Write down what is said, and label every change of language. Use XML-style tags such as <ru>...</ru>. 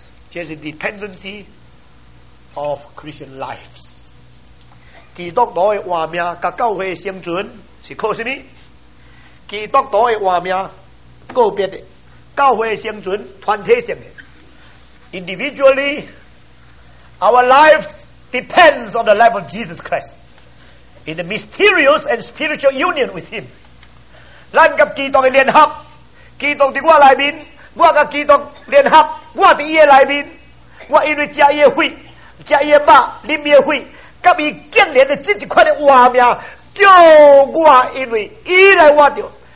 <nan>这是</nan> <en>dependency of Christian lives。</en> <nan>基督徒的活命甲教会的生存是靠什么？基督徒的活命个别的，教会的生存团体性的。</nan> <en>Individually, our lives depends on the life of Jesus Christ in the mysterious and spiritual union with Him.</en> <nan>咱甲基督的联合，基督在我内面，我甲基督联合，我伫伊的内面，我因为食伊的血，食伊的肉，啉伊的血。甲伊建立的这一块的画面，叫我因为伊来活着。</nan>